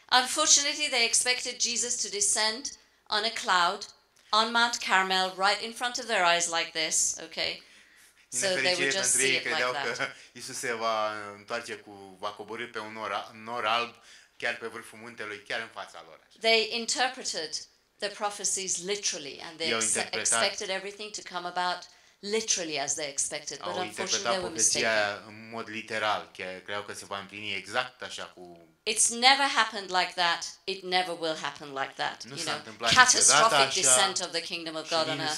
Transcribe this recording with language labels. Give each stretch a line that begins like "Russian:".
English: Unfortunately, they expected Jesus to descend on a cloud, on Mount Carmel, right in front of their eyes like this, okay? So they would just see it like that.
Romanian: Că Iisus se va întoarce cu va coborî pe un nor alb chiar pe vârful muntelui, chiar în fața lor.
English: They interpreted the prophecies literally and they expected everything to come about literally as they expected, but unfortunately they were mistaken.
Romanian: În mod literal, chiar credeau că se va împlini exact așa cu.
English: It's never happened like that. It never will happen like that.
Romanian: Nu
English: you know, catastrophic
Romanian: așa,
English: descent of the kingdom of God on earth.